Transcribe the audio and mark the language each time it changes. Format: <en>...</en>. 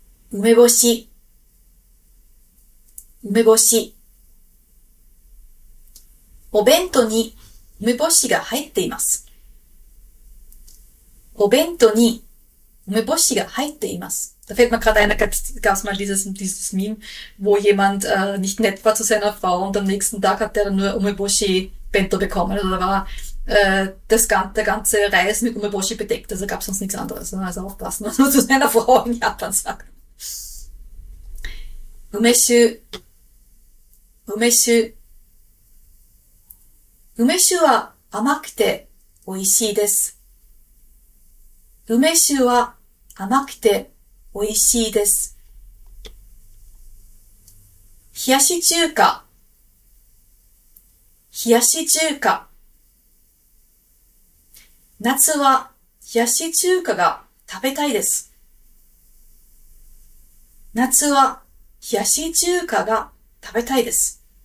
<ja>梅干し、梅干し。お弁当に梅干しが入っています。お弁当に梅干しが入っています。</ja> <de>Da fällt mir gerade ein, da gab's mal dieses Meme, wo jemand nicht nett war zu seiner Frau und am nächsten Tag hat er dann nur Umeboshi Bento bekommen. Also da war der ganze Reis mit Umeboshi bedeckt, also gab's sonst nichts anderes. Also aufpassen, was man zu seiner Frau in Japan sagt.</de> <ja>Umeshu, Umeshu. Umeshu wa amakute oishii desu. Umeshu wa amakute おいしいです。冷やし中華、冷やし中華。夏は冷やし中華が食べたいです。夏は冷やし中華が食べたいです。</ja>